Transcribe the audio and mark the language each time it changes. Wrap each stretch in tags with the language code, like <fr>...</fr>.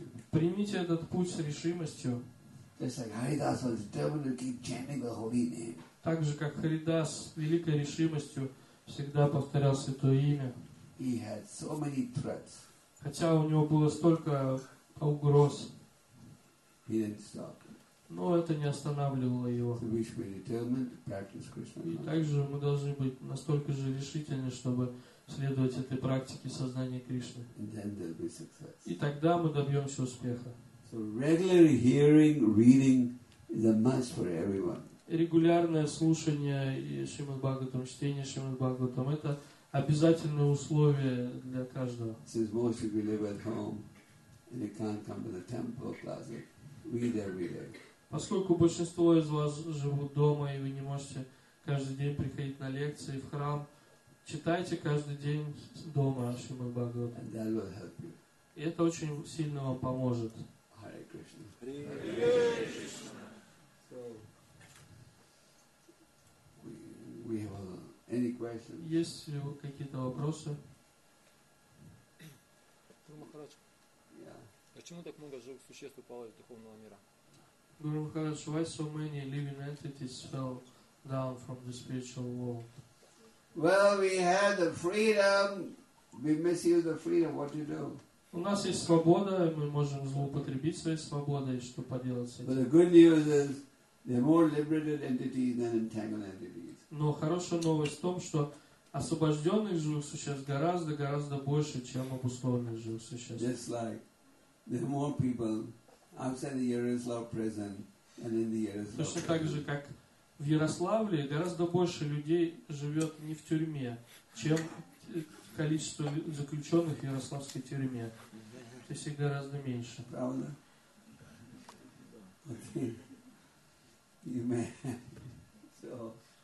<ru>Примите этот путь с решимостью. Так же, как Харидас с великой решимостью всегда повторял святое имя.</ru> <en>He had so many threats.</en> <ru>Хотя у него было столько угроз.</ru> <en>He didn't stop.</en> <ru>Но это не останавливало его.</ru> <en>So we should be determined to practice Krishna.</en> <ru>И также мы должны быть настолько же решительны, чтобы следовать этой практике сознания Кришны.</ru> <en>And then there'll be success.</en> <ru>И тогда мы добьемся успеха.</ru> <en>So regular hearing, reading is a must for everyone.</en> <ru>Регулярное слушание Шримад Бхагаватам, чтение Шримад Бхагаватам — это обязательное условие для каждого.</ru> <en>Since most of you live at home and you can't come to the temple classes, read every day.</en> <ru>Поскольку большинство из вас живут дома и вы не можете каждый день приходить на лекции в храм, читайте каждый день дома Шримад Бхагаватам.</ru> <en>And that will help you.</en> <ru>И это очень сильно вам поможет.</ru> <en>Hare Krishna. Hare Krishna. We have any questions?</en> <ru>Есть ли какие-то вопросы? Гуру Махарадж, почему так много живых существ упало из духовного мира?</ru> <en>Гуру Махарадж, why so many living entities fell down from the spiritual world? Well, we had the freedom. We misuse the freedom. What do you do?</en> <ru>У нас есть свобода, мы можем злоупотребить своей свободой, что поделать с этим.</ru> <en>But the good news is they're more liberated entities than entangled entities.</en> <ru>Но хорошая новость в том, что освобожденных живых существ гораздо-гораздо больше, чем обусловленных живых существ.</ru> <en>Just like the more people outside the Yaroslav prison and in the Yaroslav prison.</en> <ru>Точно так же, как в Ярославле, гораздо больше людей живет не в тюрьме, чем количество заключенных в ярославской тюрьме. То есть их гораздо меньше. Правда?</ru> <en>You may... So...</en>